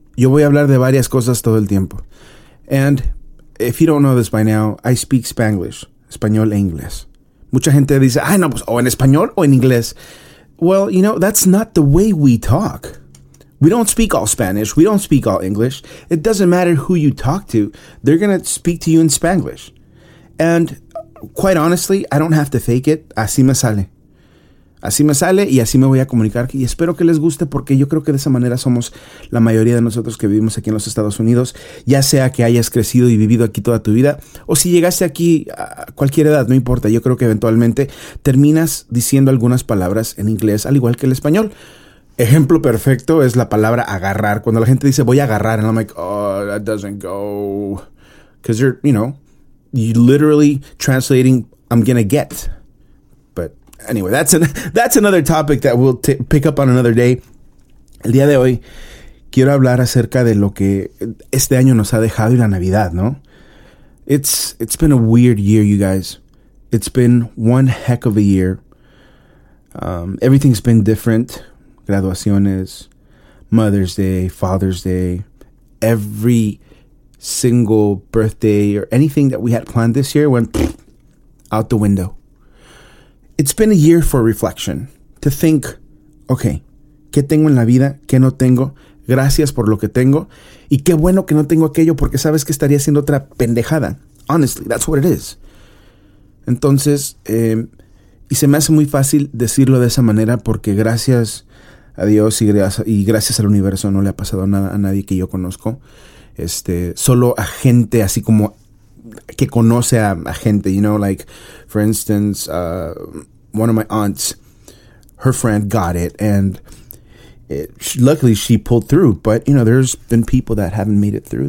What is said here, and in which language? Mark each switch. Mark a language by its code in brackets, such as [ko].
[es] Yo voy a hablar de varias cosas todo el tiempo. [en] And if you don't know this by now, I speak Spanglish. [es] Español e inglés. Mucha gente dice, ay, no, pues, o en español o en inglés. [en] Well, you know, that's not the way we talk. We don't speak all Spanish. We don't speak all English. It doesn't matter who you talk to. They're going to speak to you in Spanglish. And quite honestly, I don't have to fake it. [es] Así me sale. Así me sale y así me voy a comunicar. Y espero que les guste porque yo creo que de esa manera somos la mayoría de nosotros que vivimos aquí en los Estados Unidos. Ya sea que hayas crecido y vivido aquí toda tu vida o si llegaste aquí a cualquier edad, no importa. Yo creo que eventualmente terminas diciendo algunas palabras en inglés al igual que el español. Ejemplo perfecto es la palabra agarrar. Cuando la gente dice voy a agarrar, [en] and I'm like, oh, that doesn't go. Because you're literally translating, I'm gonna get. Anyway, that's another topic that we'll pick up on another day. [es] El día de hoy, quiero hablar acerca de lo que este año nos ha dejado y la Navidad, ¿no? [en] It's been a weird year, you guys. It's been one heck of a year. Everything's been different. Graduaciones, Mother's Day, Father's Day, every single birthday or anything that we had planned this year went out the window. It's been a year for reflection, to think, okay, [es] ¿qué tengo en la vida? ¿Qué no tengo? Gracias por lo que tengo. Y qué bueno que no tengo aquello porque sabes que estaría haciendo otra pendejada. [en] Honestly, that's what it is. [es] Entonces, y se me hace muy fácil decirlo de esa manera porque gracias a Dios y gracias al universo no le ha pasado nada a nadie que yo conozco. Solo a gente así como que conoce a gente, [en] you know, like, for instance, one of my aunts, her friend got it, and luckily she pulled through, but, you know, there's been people that haven't made it through.